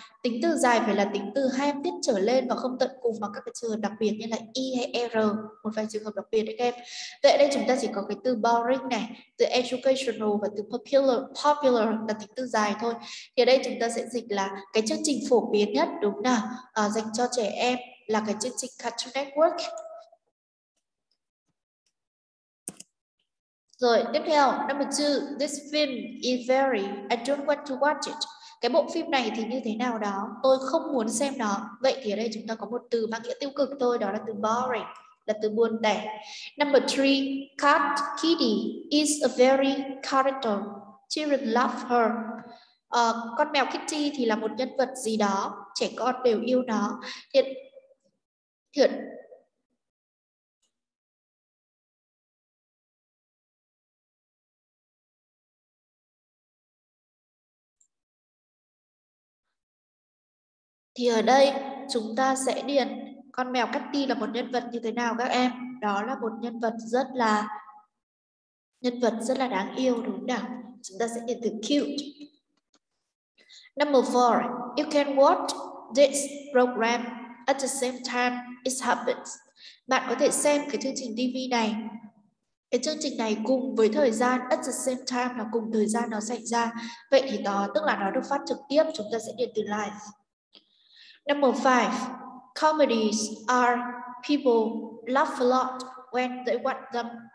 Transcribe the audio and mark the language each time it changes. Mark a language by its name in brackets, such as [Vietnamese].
[Vietnamese] Tính từ dài phải là tính từ hai âm tiết trở lên và không tận cùng bằng các cái trường hợp đặc biệt như là i hay r, một vài trường hợp đặc biệt đấy các em. Vậy đây chúng ta chỉ có cái từ boring này, từ educational và từ popular là tính từ dài thôi. Thì ở đây chúng ta sẽ dịch là cái chương trình phổ biến nhất đúng nào, dành cho trẻ em là cái chương trình Cartoon Network. Rồi, tiếp theo, [English] number 2, this film is very, I don't want to watch it. [Vietnamese] Cái bộ phim này thì như thế nào đó, tôi không muốn xem nó. Vậy thì ở đây chúng ta có một từ mang nghĩa tiêu cực thôi, đó là từ boring, là từ buồn tẻ. [English] Number 3, Cat Kitty is a very character, children love her. [Vietnamese] Con mèo Kitty thì là một nhân vật gì đó, trẻ con đều yêu nó. Thiệt. Thì ở đây chúng ta sẽ điền con mèo Cathy là một nhân vật như thế nào các em? Đó là một nhân vật rất là đáng yêu đúng không nào? Chúng ta sẽ điền từ cute. [English] Number 4, you can watch this program at the same time it happens. [Vietnamese] Bạn có thể xem cái chương trình TV này. Cái chương trình này cùng với thời gian, [English] at the same time [Vietnamese] là cùng thời gian nó xảy ra. Vậy thì đó tức là nó được phát trực tiếp, chúng ta sẽ điền từ live. [English] Number 5, comedies are people laugh a lot when they watch them.